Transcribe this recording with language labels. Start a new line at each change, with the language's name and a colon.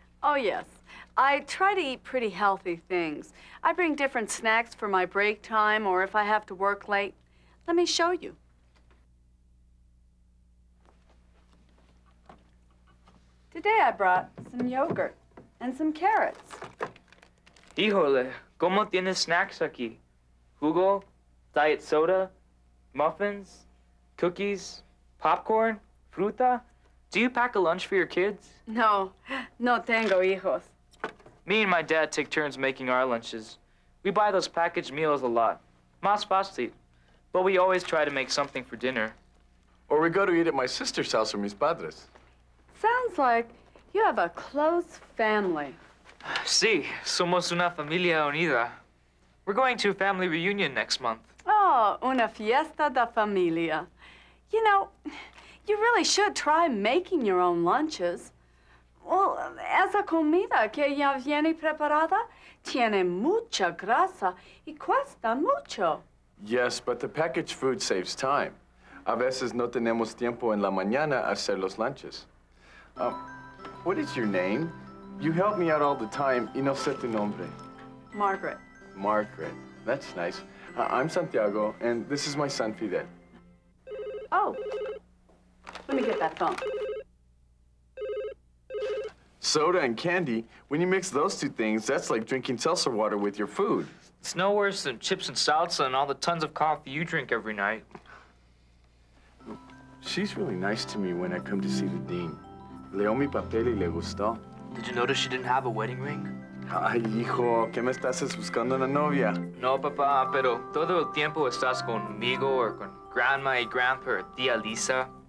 English: Oh, yes. I try to eat pretty healthy things. I bring different snacks for my break time or if I have to work late. Let me show you. Today I brought some yogurt and some carrots.
Spanish: Híjole, ¿cómo tienes snacks aquí? Jugo?
English: Diet soda, muffins, cookies, popcorn,
Spanish: fruta.
English: Do you pack a lunch for your kids?
Spanish: No, no tengo hijos.
English: Me and my dad take turns making our lunches. We buy those packaged meals a lot.
Spanish: Más fácil.
English: But we always try to make something for dinner. Or we go to eat at my sister's house or
Spanish: mis padres.
English: Sounds like you have a close family.
Spanish: Sí, somos una familia unida.
English: We're going to a family reunion next month.
Spanish: Oh, una fiesta de familia.
English: You know, you really should try making your own lunches.
Spanish: Well, esa comida que ya viene preparada tiene mucha grasa y cuesta mucho.
English: Yes, but the packaged food saves time.
Spanish: A veces no tenemos tiempo en la mañana a hacer los lunches.
English: What is your name? You help me out all the time.
Spanish: Y no sé tu nombre.
English: Margaret. Margaret. That's nice. I'm Santiago, and this is my son, Fidel. Oh. Let me get that phone. Soda and candy, when you mix those two things, that's like drinking seltzer water with your food. It's no worse than chips and salsa and all the tons of coffee you drink every night. She's really nice to me when I come to see the dean.
Spanish: Leo mi papel y le gustó.
English: Did you notice she didn't have a wedding ring?
Spanish: Ay, hijo, ¿qué me estás buscando una novia? No, papá, pero todo el tiempo estás conmigo or con
English: grandma
Spanish: y
English: grandpa
Spanish: or tía Lisa.